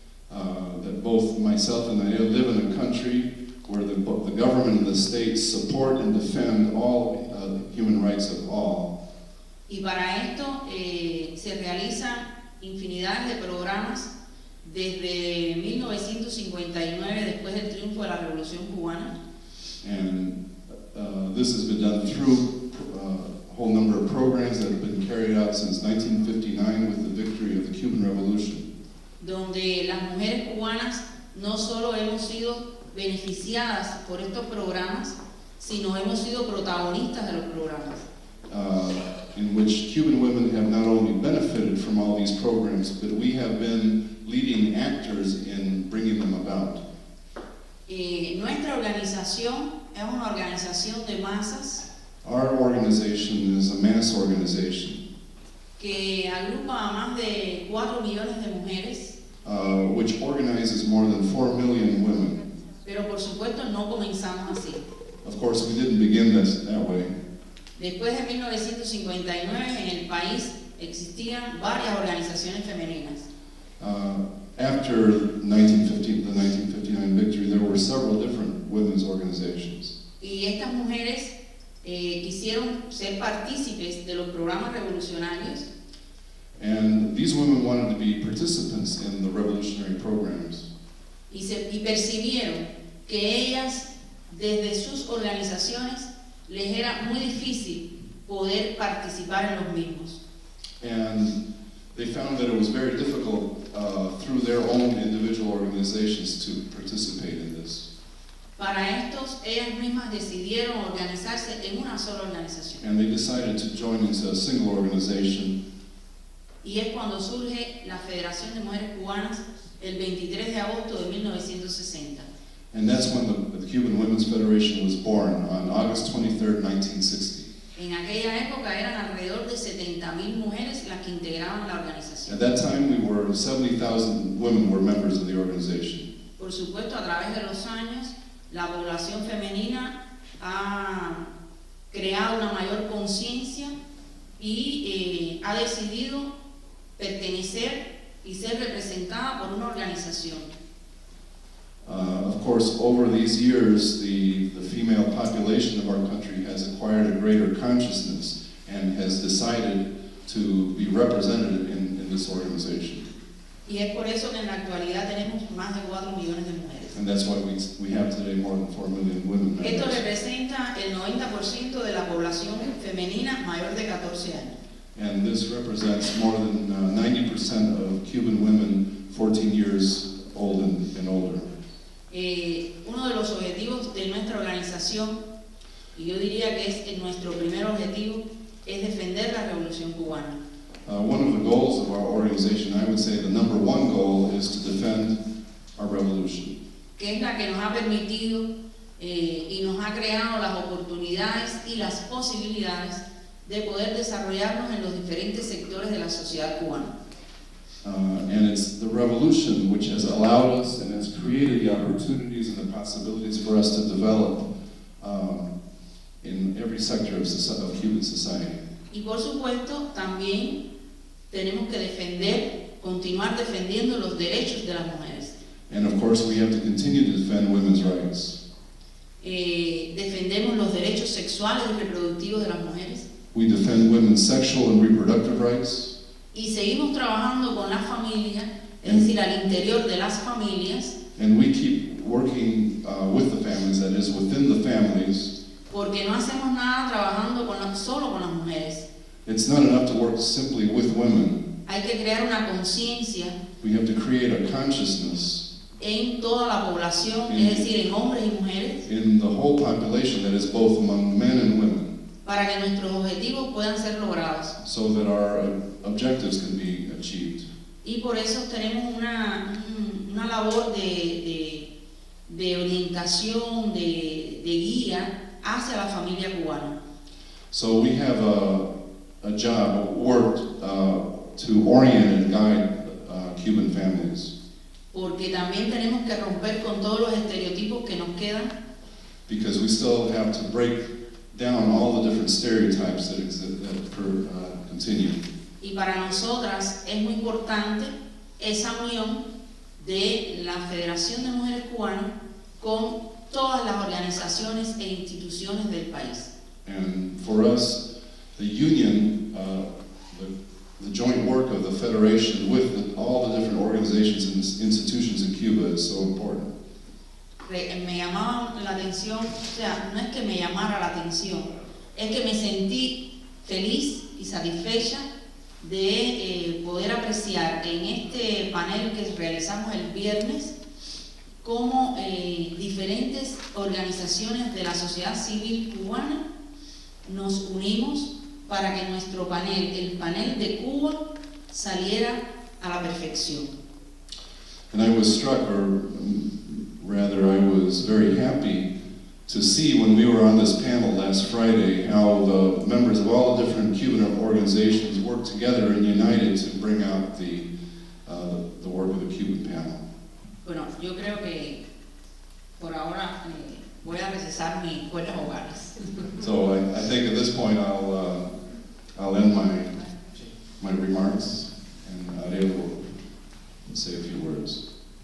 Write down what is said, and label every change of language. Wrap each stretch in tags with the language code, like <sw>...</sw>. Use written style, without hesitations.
<en>That both myself and Ariel live in a country where the government and the state support and defend all human rights of all.</en> <es>Y para esto se realizan infinidades de programas desde 1959, después del triunfo de la Revolución Cubana.</es> <en>And this has been done through a whole number of programs that have been carried out since 1959 with the victory of the Cuban Revolution.</en> <es>Donde las mujeres cubanas no solo hemos sido beneficiadas por estos programas, sino hemos sido protagonistas de los programas.</es> <en>In which Cuban women have not only benefited from all these programs, but we have been leading actors in bringing them about.</en> <es>Nuestra organización es una organización de masas.</es> <en>Our organization is a mass organization.</en> <es>Que agrupa a más de 4 millones de mujeres.</es> <en>Which organizes more than 4 million women.</en> <es>Pero por supuesto no comenzamos así.</es> <en>Of course, we didn't begin this that way.</en> <es>Después de 1959, en el país existían varias organizaciones femeninas.</es> <en>After the 1959 victory, there were several different women's organizations.</en> <es>Y estas mujeres quisieron ser partícipes de los programas revolucionarios.</es> <en>And these women wanted to be participants in the revolutionary programs.</en> <es>Y percibieron que ellas, desde sus organizaciones, les era muy difícil poder participar en los mismos.</es> <en>And they found that it was very difficult through their own individual organizations to participate in this.</en> <es>Para estos, ellas mismas decidieron organizarse en una sola organización.</es> <en>And they decided to join into a single organization.</en> <es>Y es cuando surge la Federación de Mujeres Cubanas el 23 de agosto de 1960.</es> <en>And that's when the Cuban Women's Federation was born, on August 23rd, 1960.</en> <es>En aquella época eran alrededor de 70,000 mujeres las que integraban la organización.</es> <en>At that time, 70,000 women were members of the organization.</en> <es>Por supuesto, a través de los años, la población femenina ha creado una mayor conciencia y ha decidido pertenecer y ser representada por una organización.</es> <en>Of course, over these years, the female population of our country has acquired a greater consciousness and has decided to be represented in this organization.</en> <es>Y es por eso que en la actualidad tenemos más de 4 millones de mujeres.</es> <en>And that's why we have today more than 4 million women.</en> <es>Esto representa el 90% de la población femenina mayor de 14 años.</es> <en>And this represents more than 90% of Cuban women 14 years old and older.</en> <es>Uno de los objetivos de nuestra organización, y yo diría que es nuestro primer objetivo, es defender la revolución cubana.</es> <en>One of the goals of our organization, I would say the number one goal, is to defend our revolution.</en> <es>Que es la que nos ha permitido y nos ha creado las oportunidades y las posibilidades de poder desarrollarnos en los diferentes sectores de la sociedad cubana.</es> <en>And it's the revolution which has allowed us and has created the opportunities and the possibilities for us to develop in every sector of Cuban society.</en> <es>Y por supuesto, también tenemos que defender, continuar defendiendo los derechos de las mujeres.</es> <en>And of course, we have to continue to defend women's rights.</en> <es>Defendemos los derechos sexuales y reproductivos de las mujeres.</es> <en>We defend women's sexual and reproductive rights.</en> <es>Y seguimos trabajando con la familia, es decir, al interior de las familias.</es> <en>And we keep working with the families, that is, within the families.</en> <es>Porque no hacemos nada trabajando solo con las mujeres.</es> <en>It's not enough to work simply with women.</en> <es>Hay que crear una conciencia.</es> <en>We have to create a consciousness.</en> <es>En toda la población, es decir, en hombres y mujeres.</es> <en>In the whole population, that is, both among men and women.</en> <es>Para que nuestros objetivos puedan ser logrados.</es> <en>So that our objectives can be achieved.</en> <es>Y por eso tenemos una labor de orientación, de guía hacia la familia cubana.</es> <en>So we have a job, work to orient and guide Cuban families.</en> <es>Porque también tenemos que romper con todos los estereotipos que nos quedan.</es> <en>Because we still have to break down all the different stereotypes that exist, that continue.</en> <es>Y para nosotras es muy importante esa unión de la Federación de Mujeres Cubanas con todas las organizaciones e instituciones del país.</es> <en>And for us, the union, the joint work of the Federation with all the different organizations and institutions in Cuba is so important.</en> <es>Me llamaba la atención, o sea, no es que me llamara la atención, es que me sentí feliz y satisfecha de poder apreciar en este panel que realizamos el viernes cómo diferentes organizaciones de la sociedad civil cubana nos unimos para que nuestro panel, el panel de Cuba, saliera a la perfección.</es> <en>And I was struck, or rather, I was very happy to see when we were on this panel last Friday how the members of all the different Cuban organizations worked together and united to bring out the work of the Cuban panel.</en> <es>Bueno, yo creo que por ahora voy a recesar mis cuerdas vocales.</es> <en>So I think at this point I'll end my remarks, and Ariel will say a few words.</en>